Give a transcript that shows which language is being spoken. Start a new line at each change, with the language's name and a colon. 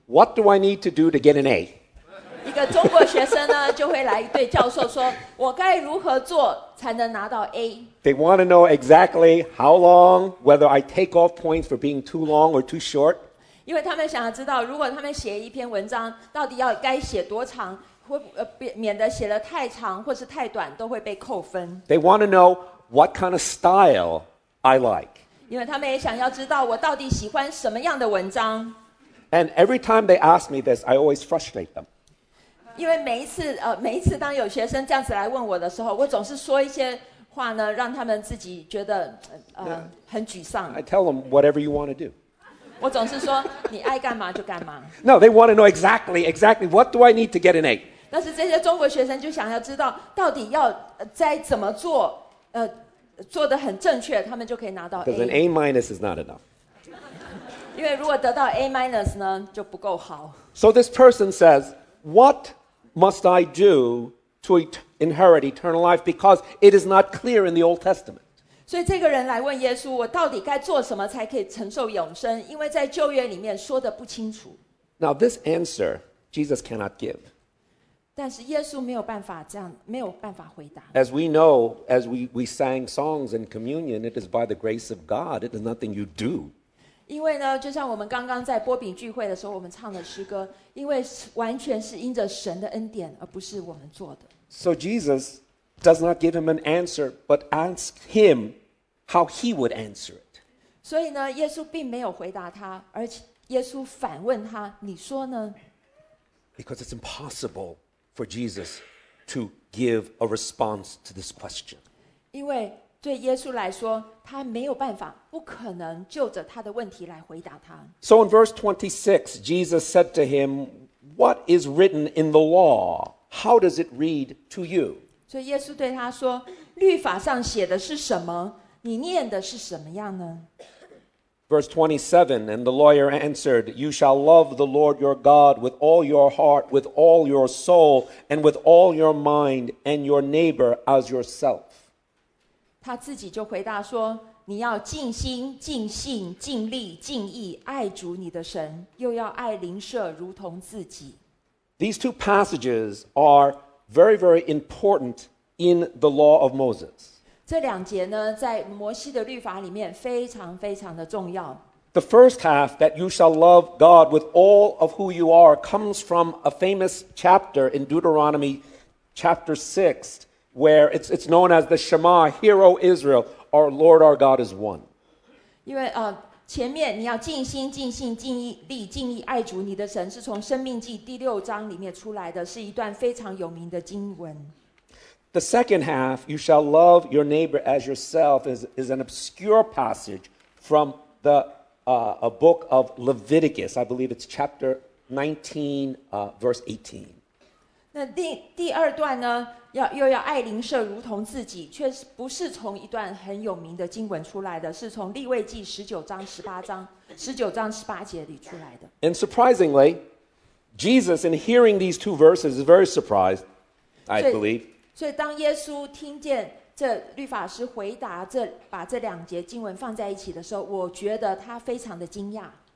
English: What do I need to do to get an A?
Chinese: 一个中国学生呢就会来对教授说我该如何做才能拿到 A?
English: They want to know exactly how long, whether I take off points for being too long or too short.
Chinese: 因为他们想要知道如果他们写一篇文章到底要该写多长或免得写得太长或是太短都会被扣分。
English: They want to know what kind of style I like.
Chinese: 因为他们也想要知道我到底喜欢什么样的文章。
English: And every time they ask me this, I always frustrate them.
Chinese: 因为每一次当有学生这样子来问我的时候，我总是说一些话呢，让他们自己觉得很沮丧。
English: I tell them whatever you want to do.
Chinese: 我总是说你爱干嘛就干嘛。
English: No, they want to know exactly what do I need to get an A.
Chinese: 但是这些中国学生就想要知道到底要再怎么做做得很正确他们就可以拿到 A.
English: Because an A minus is not enough.
Chinese: 因为如果得到 A minus 呢就不够好。
English: So this person says, what must I do to inherit eternal life? Because it is not clear in the Old Testament.
Chinese: 所以这个人来问耶稣我到底该做什么才可以承受永生因为在旧约里面说的不清楚。
English: Now this answer, Jesus cannot give.
Chinese: 但是耶稣没有办法这样没有办法回答。
English: As we know, as we sang songs in communion, it is by the grace of God, it is nothing you do.
Chinese: 因为呢就像我们刚刚在波饼聚会的时候我们唱的诗歌因为完全是因着神的恩典而不是我们做的。
English: So Jesus,does not give him an answer, but ask him how he would answer it.
Chinese: 所以呢，耶稣并没有回答他，而且耶稣反问他，你说呢？
English: Because it's impossible for Jesus to give a response to this question.
Chinese: 因为对耶稣来说，他没有办法，不可能就着他的问题来回答他。
English: So in verse 26, Jesus said to him, what is written in the law? How does it read to you?
Chinese: 所以耶稣对他说律法上写的是什么你念的是什么样呢
English: Verse 27 And the lawyer answered You shall love the Lord your God with all your heart, with all your soul, and with all your mind, and your neighbor as yourself.
Chinese: 他自己就回答说你要尽心尽性尽力尽意爱主你的神又要爱邻舍如同自己
English: These two passages areVery, very important in the law of Moses.
Chinese: 这两节呢，在摩西的律法里面非常非常的重要。
English: The first half, that you shall love God with all of who you are, comes from a famous chapter in Deuteronomy chapter 6, where it's known as the Shema, Hear, O Israel, our Lord our God is one.
Chinese: 因为前面你要尽心尽性尽力尽意爱主你的神是从生命记第六章里面出来的是一段非常有名的经文
English: The second half You shall love your neighbor as yourself is an obscure passage from the a book of Leviticus I believe it's chapter 19 verse 18
Chinese: 那第二段呢要又要爱邻舍如同自己却不是从一段很有名的经文出来的是从利未记19章18节里出来的
English: And surprisingly Jesus in hearing these two verses is very surprised I believe
Chinese: 所以当耶稣听见这律法师回答这把这两节经文放在一起的时候我觉得他非常的惊讶